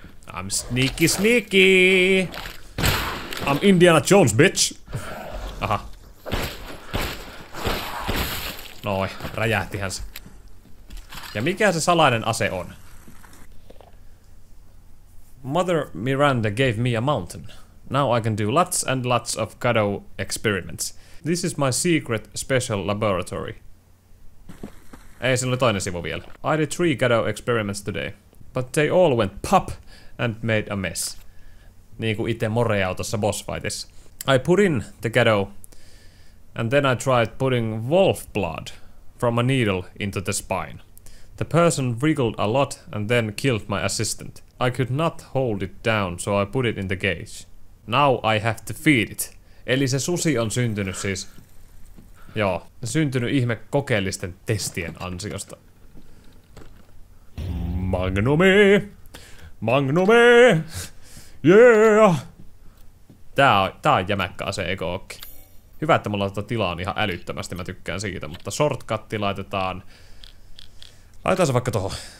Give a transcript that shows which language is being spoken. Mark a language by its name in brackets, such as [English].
[English] I'm sneaky sneaky! I'm Indiana Jones, bitch! Aha. [Finnish] Noi, räjähtihän se. Ja mikä se salainen ase on? [English] Mother Miranda gave me a mountain. Now I can do lots and lots of Kado experiments. This is my secret special laboratory. [Finnish] Ei, siinä oli toinen sivu vielä. [English] I did 3 Kado experiments today. But they all went pop and made a mess. [Finnish] Niinku itse moreau tossa boss fightissa. [English] I put in the Kado. And then I tried putting wolf blood from a needle into the spine. The person wriggled a lot and then killed my assistant. I could not hold it down, so I put it in the cage. Now I have to feed it. [Finnish] Eli se susi on syntynyt siis... Joo. Syntynyt ihme kokeellisten testien ansiosta. Magnumi! Magnumi! Yeah! Tää on jämäkkä ase, eikö ookin? Hyvä, että mulla tota tilaa on ihan älyttömästi, mä tykkään siitä, mutta shortcutti laitetaan... Laitetaan se vaikka tohon.